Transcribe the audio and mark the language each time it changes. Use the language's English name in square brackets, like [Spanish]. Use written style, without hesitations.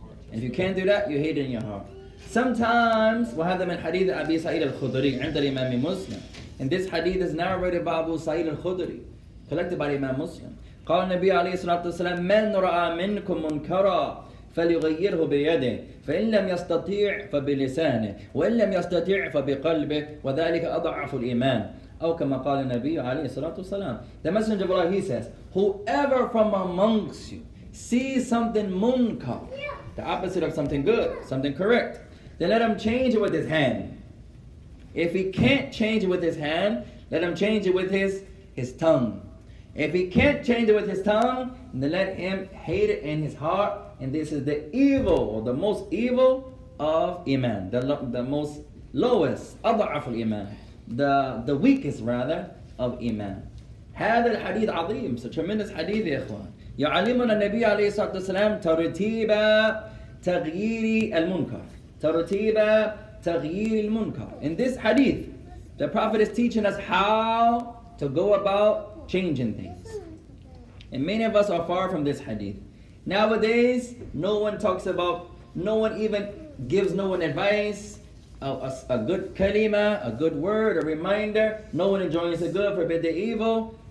[English] If you can't do that, you hate in your heart. And if you can't do that, you hate in your heart. Sometimes, [Arabic] وهذا من حديث أبي سعيد الخدري عند الإمام مسلم. [English] And this hadith is narrated by Abu Sa'id al-Khudri, collected by Imam Muslim. [Arabic] قال النبي عليه الصلاة والسلام من رأى منكم منكرا فليغيره بيده فإن لم يستطيع فبلسانه وإن لم يستطيع فبقلبه وذلك أضعف الإيمان. أو كما قال النبي عليه الصلاة والسلام. [English] The Messenger of Allah he says, whoever from amongst you sees something munkar, the opposite of something good, something correct, then let him change it with his hand. If he can't change it with his hand, let him change it with his tongue. If he can't change it with his tongue, then let him hate it in his heart. And this is the evil, or the most evil of iman. The most lowest, [Arabic] أضعف الإيمان. [English] The weakest, rather, of iman. [Arabic] هذا الحديث عظيم. [English] It's a tremendous hadith, [Arabic] يا إخوان. يعلمنا النبي عليه الصلاة والسلام ترتيب تغيير المنكر. ترتيب تغيير المنكر. [English] In this hadith, the Prophet is teaching us how to go about changing things. And many of us are far from this hadith. Nowadays, no one talks about, no one even gives no one advice, a good kalima, a good word, a reminder. No one enjoins the good, forbid the evil.